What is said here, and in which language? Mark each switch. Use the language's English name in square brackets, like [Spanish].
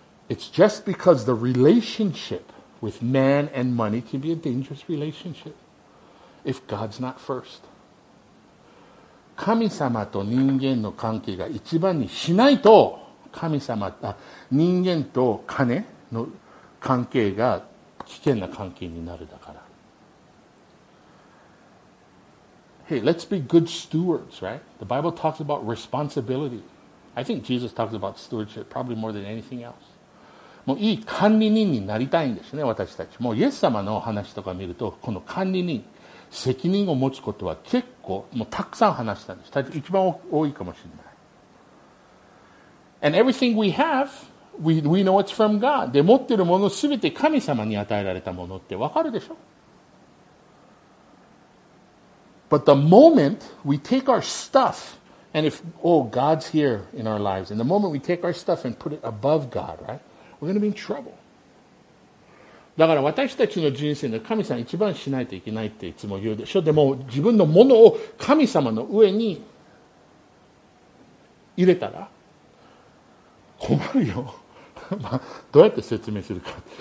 [English] It's just because the relationship with man and money can be a dangerous relationship if God's not first. [Japanese] 神様と人間の関係が一番にしないと、神様あ人間と金の関係が危険な関係になる、だから。 [English] Hey, let's be good stewards, right? The Bible talks about responsibility. I think Jesus talks about stewardship probably more than anything else. [Japanese] もういい管理人になりたいんですね、私たち。もうイエス様の話とか見ると、この管理人、責任を持つことは結構、もうたくさん話したんです。一番多いかもしれない。 [English] And everything we have, we know it's from God. [Japanese] で、持ってるものすべて神様に与えられたものってわかるでしょ？ [English] But the moment we take our stuff, and if, oh, God's here in our lives, and the moment we take our stuff and put it above God, right, we're going to be in trouble. [Japanese] だから私たちの人生で神様一番しないといけないっていつも言うでしょ。でも自分のものを神様の上に入れたら困るよ。まあどうやって説明するか。